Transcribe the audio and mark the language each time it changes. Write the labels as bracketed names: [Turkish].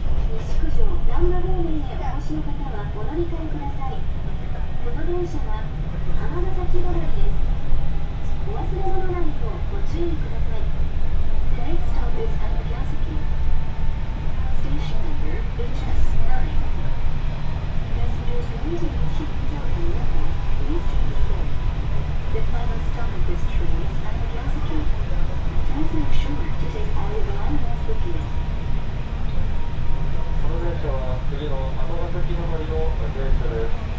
[Japanese] しい方はお乗り換えください。この電車は浜崎止まりです。お忘れ物ないようご注意ください。 [English] The next stop is Amagasaki Station number HS9. Passengers waiting in Shinjoku Airport, please change your The final stop of this train is Amagasaki. Please make sure to take all your belongings with you. [Japanese] この電車は次の浜崎止まりの電車です。